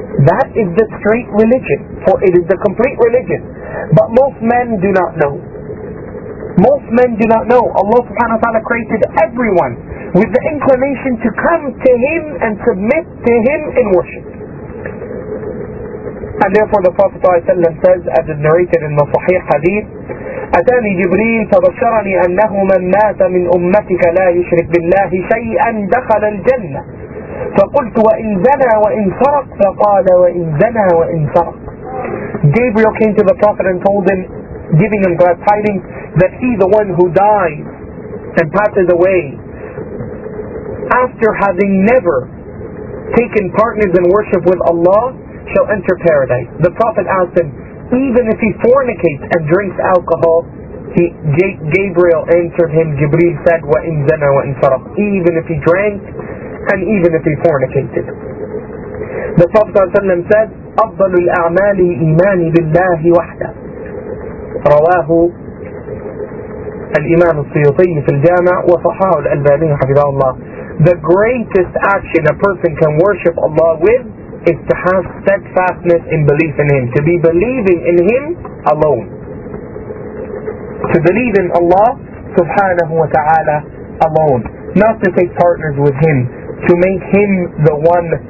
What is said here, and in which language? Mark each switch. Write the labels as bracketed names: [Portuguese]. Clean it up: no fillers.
[English] That is the straight religion, for it is the complete religion. But most men do not know. Most men do not know. Allah subhanahu wa ta'ala created everyone with the inclination to come to Him and submit to Him in worship. And therefore the Prophet ﷺ says, as is narrated in the Sahih Hadith, [Arabic] أتاني جبريل فبشرني أنه من مات من أمتك لا يشرك بالله شيئا دخل الجنة. فقلت وإن زنى وإن سرق. فقال وإن زنى وإن سرق. [English] Gabriel came to the Prophet and told him, giving him glad tidings, that he, the one who dies and passes away after having never taken partners in worship with Allah, shall enter paradise. The Prophet asked him, even if he fornicates and drinks alcohol, Gabriel answered him, Jibreel said, [Arabic] وَإِن زَنَى وَإِن سَرَقَ, [English] even if he drank and even if he fornicated. The Prophet ﷺ said, [Arabic] أَفْضَلُ الْأَعْمَالِ إِيمَانِ بِاللَّهِ وَحْدَهُ, رواه الإمام السيوطي في الجامع وصححه الألباني حفظه الله. [English] The greatest action a person can worship Allah with is to have steadfastness in belief in Him, to be believing in Him alone, to believe in Allah subhanahu wa ta'ala alone, not to take partners with Him, to make Him the one